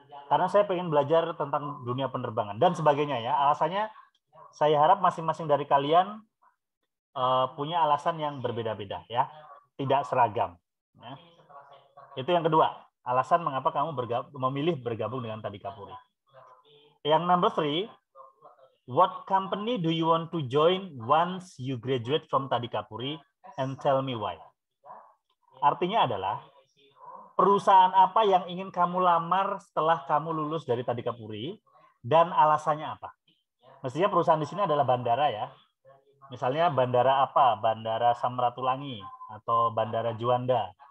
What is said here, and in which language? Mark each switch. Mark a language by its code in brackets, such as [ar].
[id] Karena saya ingin belajar tentang dunia penerbangan dan sebagainya ya. Alasannya saya harap masing-masing dari kalian punya alasan yang berbeda-beda ya, tidak seragam. Ya. Itu yang kedua. Alasan mengapa kamu memilih bergabung dengan Tadikapuri. Yang [en] number 3, what company do you want to join once you graduate from Tadikapuri and tell me why? [id] Artinya adalah, perusahaan apa yang ingin kamu lamar setelah kamu lulus dari Tadikapuri dan alasannya apa? Mestinya perusahaan di sini adalah bandara ya. Misalnya bandara apa? Bandara Samratulangi atau Bandara Juanda.